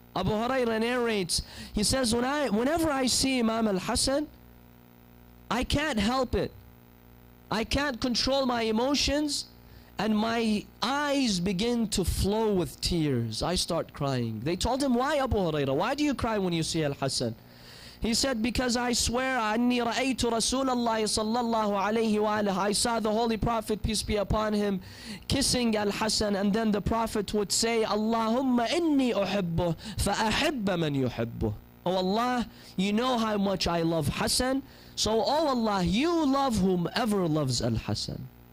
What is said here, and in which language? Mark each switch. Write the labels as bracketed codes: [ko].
[en] Abu Huraira narrates, he says, whenever I see Imam Al-Hasan, I can't help it. I can't control my emotions, and my eyes begin to flow with tears. I start crying. They told him, why, Abu Huraira? Why do you cry when you see Al-Hasan? He said, because I swear, [ar] أَنِّي رَأَيْتُ رَسُولَ اللَّهِ صَلَّى اللَّهُ عَلَيْهِ وَعَلَهُ. [en] I saw the Holy Prophet, peace be upon him, kissing Al-Hasan, and then the Prophet would say, [ar] اللَّهُمَّ إِنِّي أُحِبُّهُ فَأَحِبَّ مَنْ يُحِبُّهُ. [en] Oh Allah, you know how much I love Hasan, so oh Allah, you love whomever loves Al-Hasan.